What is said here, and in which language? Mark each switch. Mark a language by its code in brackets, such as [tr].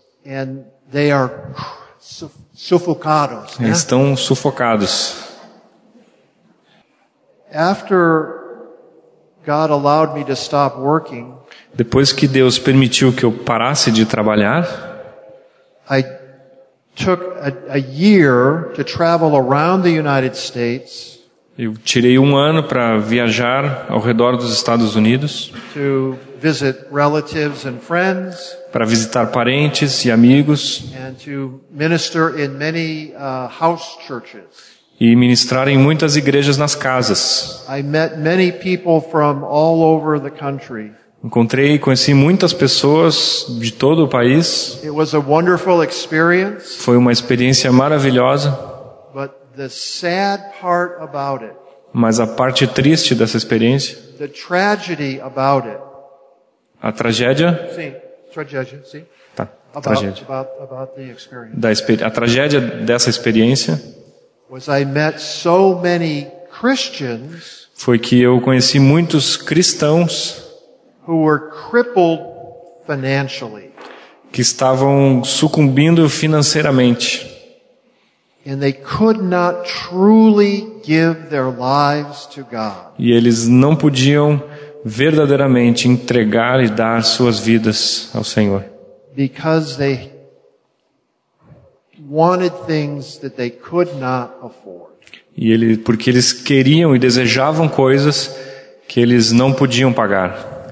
[en] And they are [pt] sufocados, eles estão sufocados. [en] After God allowed me to stop working, [pt] depois que Deus permitiu que eu parasse de trabalhar, [en] took a year to travel around the United States. [pt] Eu tirei um ano para viajar ao redor dos Estados Unidos. [en] To visit relatives and friends. [pt] Para visitar parentes e amigos. [en] And to minister in many house churches. [pt] E ministrar em muitas igrejas nas casas. [en] I met many people from all over the country. [pt] Encontrei e conheci muitas pessoas de todo o país. [en] It was a wonderful experience. [pt] Foi uma experiência maravilhosa. [en] But the sad part about it, [pt] mas a parte triste dessa experiência, [en] the tragedy about it, [pt] a tragédia, sim, tragédia, sim, tá, tragédia. [en] About the experience. [pt] A tragédia dessa experiência [en] was I met so many Christians, [pt] foi que eu conheci muitos cristãos [en] who were crippled financially, [pt] que estavam sucumbindo financeiramente, [en] and they could not truly give their lives to God. [pt] E eles não podiam verdadeiramente entregar e dar suas vidas ao Senhor, [en] because they wanted things that they could not afford. [pt] E porque eles queriam e desejavam coisas que eles não podiam pagar.